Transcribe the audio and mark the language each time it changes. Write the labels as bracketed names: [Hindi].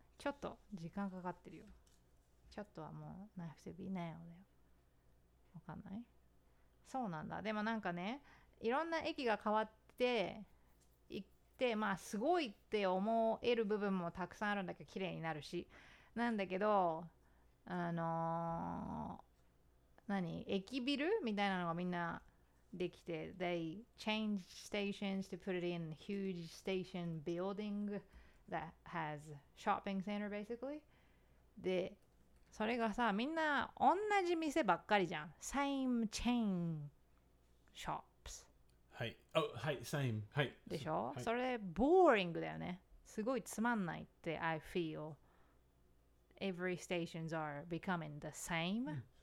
[Japanese] ちょっと、時間かかってるよ。ちょっとはもう、ナイフセビナイオだよ。わかんない?そうなんだ。でもなんかね、いろんな駅が変わって行って、まあすごいって思える部分もたくさんあるんだけど、綺麗になるし。なんだけど、何? 駅ビルみたいなのがみんなできて、 [English] They changed stations to put it in huge station building that has shopping center basically. [Japanese] で、それがさ、みんな同じ店ばっかりじゃん。 [English] Same chain shop. [Japanese] はい、oh, はい、same、はい、でしょ、はい、それ、boring だよね。すごいつまんないって、 [English] I feel. Every stations are becoming the same.